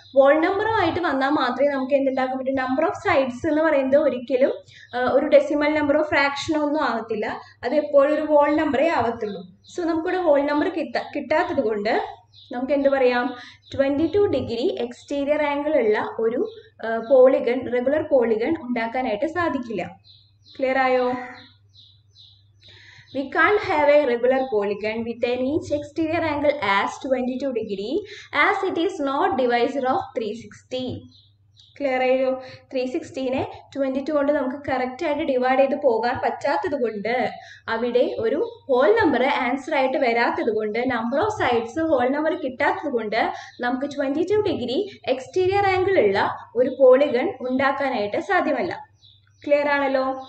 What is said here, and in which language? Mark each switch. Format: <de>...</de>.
<ml>Wall നമ്പറുമായിട്ട് വന്നാൽ മാത്രമേ നമുക്ക് എന്തുണ്ടാക്കാൻ പറ്റും. നമ്പർ ഓഫ് സൈഡ്സ് എന്ന് പറയുന്നത് ഒരിക്കലും ഒരു ഡെസിമൽ നമ്പറോ ഫ്രാക്ഷനോ ഒന്നും ആകത്തില്ല. അത് എപ്പോഴും ഒരു വോൾ നമ്പറേ ആവത്തുള്ളൂ. സോ നമുക്കിവിടെ വോൾ നമ്പർ കിട്ടാത്തത് കൊണ്ട് നമുക്ക് എന്ത് പറയാം? 22 ഡിഗ്രി എക്സ്റ്റീരിയർ ആംഗിൾ ഉള്ള ഒരു പോളിഗൺ, റെഗുലർ പോളിഗൺ ഉണ്ടാക്കാനായിട്ട് സാധിക്കില്ല. ക്ലിയർ ആയോ?</ml> <en>We can't have a regular polygon with an each exterior angle as 22 degree as it is not divisor of 360.</en> <ml>Clear ആയോ? 360 നെ 22 കൊണ്ട് നമുക്ക് കറക്റ്റ് ആയിട്ട് ഡിവൈഡ് ചെയ്ത് പോകാൻ പറ്റാത്തത് കൊണ്ട്, അവിടെ ഒരു ഹോൾ നമ്പർ ആൻസർ ആയിട്ട് വരാത്തത് കൊണ്ട്, number of sides whole number കിട്ടാത്തത് കൊണ്ട് നമുക്ക് 22 ഡിഗ്രി എക്സ്റ്റീരിയർ ആംഗിൾ ഉള്ള ഒരു പോളിഗൺ ഉണ്ടാക്കാനായിട്ട് സാധ്യമല്ല. ക്ലിയർ ആണല്ലോ.</ml>